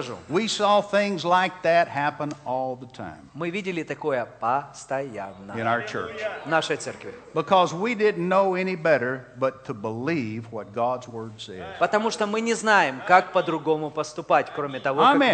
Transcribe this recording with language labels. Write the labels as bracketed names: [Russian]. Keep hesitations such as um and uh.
[English] We saw things like that happen all the time. [Russian] Мы видели такое постоянно. [English] In our church. [Russian] В нашей церкви. [English] Because we didn't know any better but to believe what God's word says. [Russian] Потому что мы не знаем, как по-другому поступать, кроме того, как Amen.